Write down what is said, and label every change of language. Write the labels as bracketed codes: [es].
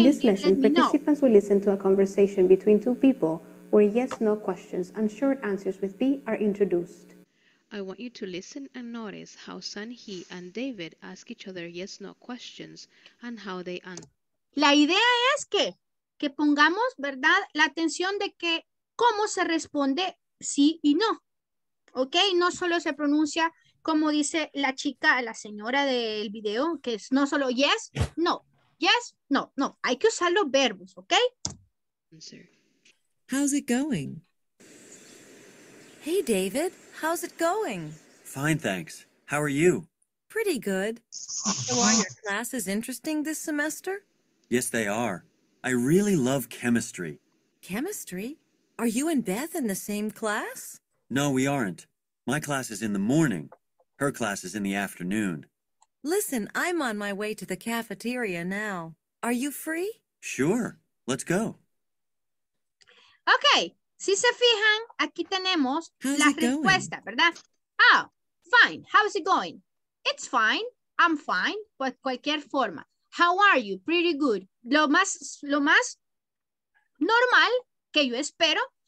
[en] in this lesson, participants will listen to a conversation between two people where yes-no questions and short answers with B are introduced. I want you to listen and notice how Sanhee and David ask each other yes-no questions and how they answer. [es] La idea es que pongamos, ¿verdad?, la atención de que cómo se responde sí y no. ¿Ok? No solo se pronuncia como dice la chica, la señora del video, que es no solo yes, no, no. Hay que usar los verbos, ¿ok? [en] How's it going? Hey, David, how's it going? Fine, thanks. How are you? Pretty good. So are your classes interesting this semester? Yes, they are. I really love chemistry. Chemistry? Are you and Beth in the same class? No, we aren't. My class is in the morning. Her class is in the afternoon. Listen, I'm on my way to the cafeteria now. Are you free? Sure. Let's go. Okay. [es] Si se fijan, aquí tenemos la respuesta, ¿verdad? [en] Oh, fine. How's it going? It's fine. I'm fine. [es] But cualquier forma. [en] How are you? Pretty good. [es] Lo más normal que yo espero.